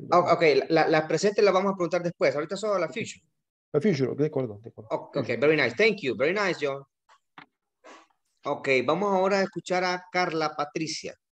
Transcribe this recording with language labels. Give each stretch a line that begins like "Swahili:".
Spanish: Okay, las presentes las vamos a preguntar después, ahorita solo la future. La future, de acuerdo.
English: Okay, very nice, thank you, very nice, John.
Spanish: Ok, vamos ahora a escuchar a Carla Patricia.